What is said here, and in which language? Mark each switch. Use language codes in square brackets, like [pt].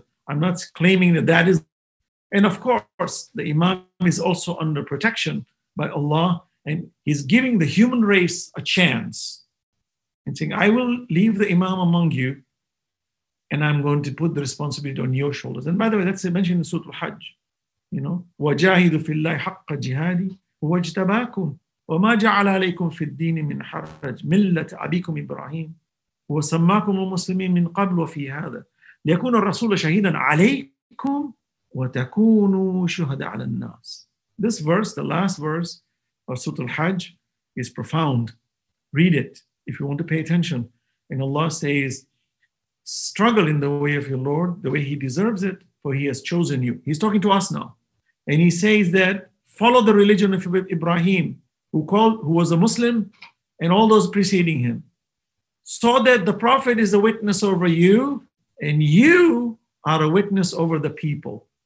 [en] I'm not claiming that that is. And of course, the Imam is also under protection by Allah, and he's giving the human race a chance and saying, I will leave the Imam among you, and I'm going to put the responsibility on your shoulders. And by the way, that's mentioned in Surah Al-Hajj, you know, [ar] وَجَاهِدُ فِي اللَّهِ حَقَّ جِهَادِي وَاجْتَبَاكُمْ وَمَا جَعَلَ عَلَيْكُمْ فِي الدِّينِ مِنْ حَرَجٍ مِلَّةَ أَبِيكُمْ إِبْرَاهِيمُ وَسَمَّاكُمُ الْمُسْلِمِينَ مِنْ قَبْلُ وَفِي هَذَا لِيَكُونَ الرَّسُولَ شَهِيدًا عَلَيْكُمْ وَتَكُونُوا شُهَدَ عَلَى النَّاسِ. [en] This verse, the last verse of Surah Al-Hajj, is profound. Read it if you want to pay attention. And Allah says, struggle in the way of your Lord, the way he deserves it, for he has chosen you. He's talking to us now. And he says that, follow the religion of Ibrahim, who was a Muslim, and all those preceding him, so that the Prophet is a witness over you, and you are a witness over the people.